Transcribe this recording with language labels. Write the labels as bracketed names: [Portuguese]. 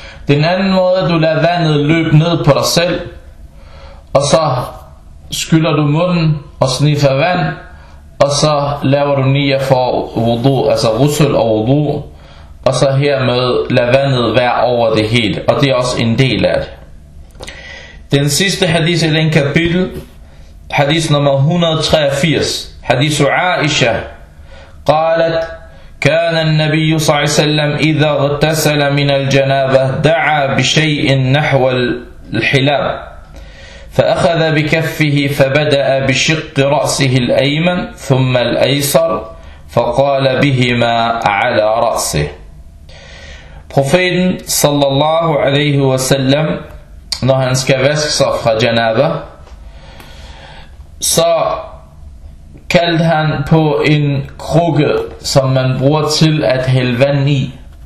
[Danish] Den anden måde, at du lader vandet løbe ned på dig selv, og så skyller du munden og sniffer vand, og så laver du nia for wudu, altså rusul og wudu, og så hermed lader vandet være over det hele, og det er også en del af det. Den sidste hadith i den kapitel, hadith nummer 183, hadith Aisha, [Arabic] قالت: كان النبي صلى الله عليه وسلم إذا اغتسل من الجنابة دعا بشيء نحو الحلاب فأخذ بكفه فبدأ بشق رأسه الأيمن ثم الأيسر فقال بهما على رأسه. [Danish] Profeten صلى الله عليه وسلم, når han skal vaske sig fra janaba, så kaldte han på en krukke, som man bruger til at hælde vand i.